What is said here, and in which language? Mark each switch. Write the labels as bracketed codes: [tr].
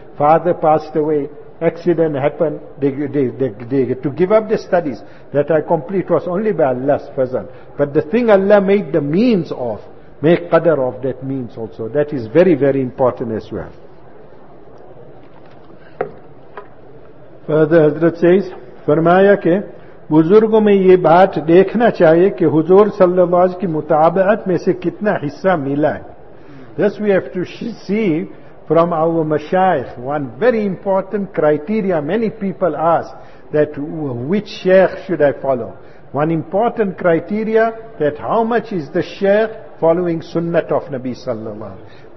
[en] Father passed away. Accident happened. They to give up the studies that I complete was only by Allah's fazal. But the thing Allah made the means of, make qadr of that means also. That is very, very important as well. Further, [ur] حضرت [en] says, [ur] فرمایا کہ بزرگوں میں یہ بات دیکھنا چاہیے کہ حضور صلی اللہ علیہ وسلم کی متابعت میں سے کتنا حصہ ملا ہے. [en] This we have to see from our mashayikh. One very important criteria many people ask, that which sheikh should I follow? One important criteria, that how much is the sheikh following sunnat of Nabi صلی اللہ علیہ وسلم.